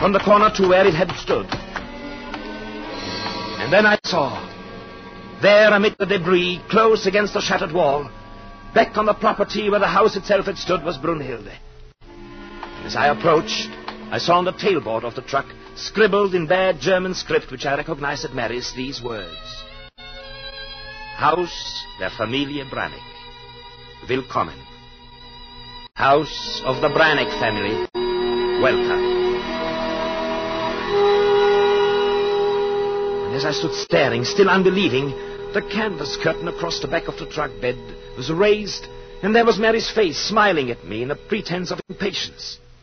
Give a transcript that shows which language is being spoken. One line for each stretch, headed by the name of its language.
English: From the corner to where it had stood. And then I saw, there amid the debris, close against the shattered wall, back on the property where the house itself had stood, was Brunhilde. And as I approached, I saw on the tailboard of the truck, scribbled in bad German script, which I recognized at Mary's, these words.
German: Haus der Familie Brannick. Willkommen.
English: House of the Brannick family. Welcome. As I stood staring, still unbelieving, the canvas curtain across the back of the truck bed was raised, and there was Mary's face smiling at me in a pretense of impatience.